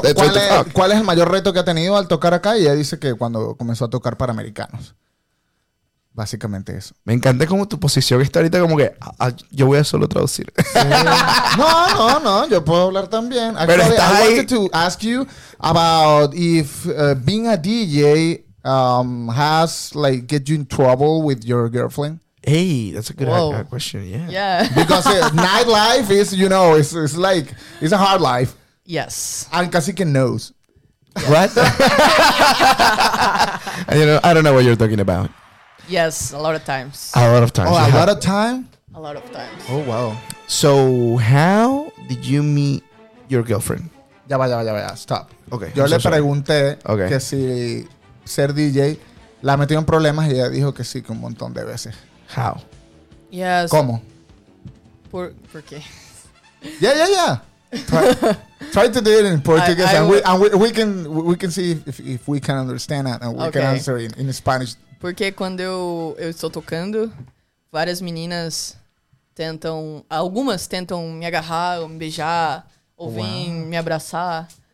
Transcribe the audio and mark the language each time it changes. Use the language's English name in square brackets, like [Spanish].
[Spanish] ¿Cuál es el mayor reto que ha tenido al tocar acá? Y ella dice que cuando comenzó a tocar para americanos. Básicamente eso. Me encanta como tu posición está ahorita como que yo voy a solo traducir. Sí. No, yo puedo hablar también. [English] Actually, [Spanish] pero está [English] I [Spanish] ahí. [English] Wanted to ask you about if being a DJ has like get you in trouble with your girlfriend. Hey, that's a good question. Yeah. Yeah. Because nightlife is, you know, it's like, it's a hard life. Yes. And Cacique knows. Yes. What? You know, I don't know what you're talking about. Yes, a lot of times. A lot of times. Oh, yeah. A lot of time? A lot of times. Oh, wow. So how did you meet your girlfriend? [Spanish] Ya va. [English] Stop. Okay. [Spanish] Yo le pregunté que si ser DJ la metió en problemas y ella dijo que sí, que un montón de veces. [English] How? Yes. [Spanish] ¿Cómo? ¿Por qué? [English] Yeah. Try to do it in Portuguese, we can see if we can understand that and we can answer in Spanish. [Portuguese] Porque quando eu estou tocando, várias meninas algumas tentam me agarrar, ou me beijar, ou vêm me abraçar.